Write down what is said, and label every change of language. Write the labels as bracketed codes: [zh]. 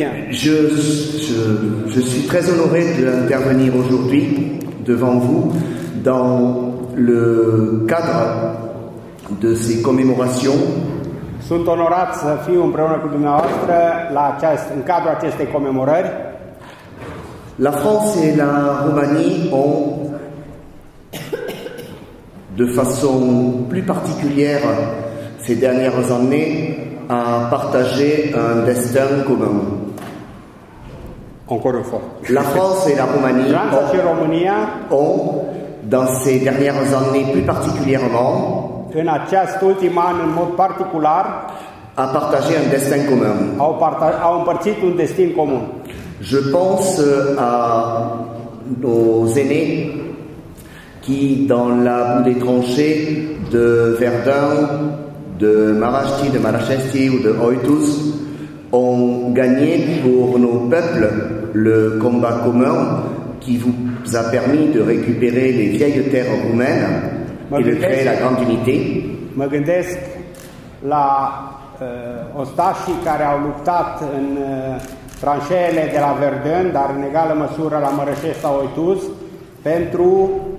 [fr] Je suis très honoré d'intervenir aujourd'hui devant vous dans le cadre de ces commémorations. [ro] Sunt onorat să fiu împreună cu dumneavoastră în cadrul acestei commémorări. [fr] La France et la Roumanie ont de façon plus particulière ces dernières années à partager un destin commun. Encore une fois. La France et la Roumanie ont, dans ces dernières années plus particulièrement, [ro] în acest ultim an, în mod particular, [fr] à partager un destin commun. [ro] Au împărțit un destin comun. [fr] Je pense à nos aînés qui, dans la boue des tranchées de Verdun, de Marachti, de Marachesti ou de Oitus, ont gagné pour nos peuples le combat commun qui vous a permis de récupérer les vieilles terres roumaines et de créer la grande unité. [ro] Mă gândesc la ostașii care au luptat în tranșeele de la Verdun, dar în egală măsură la Marachesti sau Oitus, pentru...